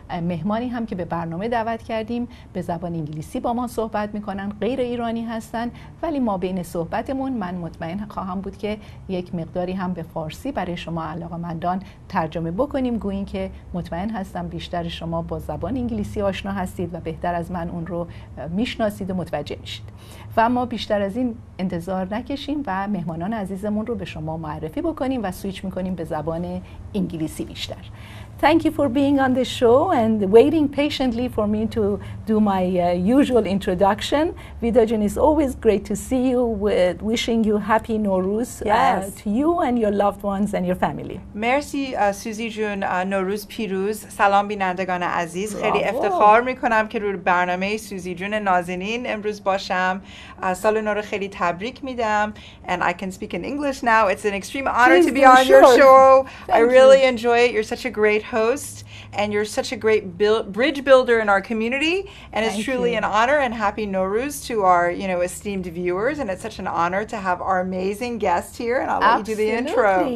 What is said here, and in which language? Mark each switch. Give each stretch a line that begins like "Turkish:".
Persian: مهمانی هم که به برنامه دعوت کردیم به زبان انگلیسی با ما صحبت میکنن، غیر ایرانی هستن، ولی ما بین صحبتمون من مطمئن خواهم بود که یک مقداری هم به فارسی برای شما علاقمندان ترجمه بکنیم، گویا که مطمئن هستم بیشتر شما با زبان انگلیسی آشنا هستید و بهتر از من اون رو میشناسید و متوجه میشید. و ما بیشتر از این انتظار نکشیم و مهمانان عزیزمون رو به شما معرفی بکنیم و سویچ میکنیم به زبان انگلیسی بیشتر.
English: Thank you for being on the show and waiting patiently for me to do my usual introduction. Vida Jun, it's always great to see you. With wishing you happy Nowruz, yes, to you and your loved ones and your family.
Persian: Merci, Suzi Jun. Nowruz Piruz. Salam binandegan aziz. خیلی افتخار میکنم که روی برنامه Suzi Jun نازنین امروز باشم. سال نو رو خیلی تبریک میدم.
English: And I can speak in English now. It's an extreme honor to be on your show. I really enjoy it. You're such a great host and you're such a great bridge builder in our community and it's truly an honor and happy Nowruz to our you know esteemed viewers and it's such an honor to have our amazing guest here and I'll let you do the intro.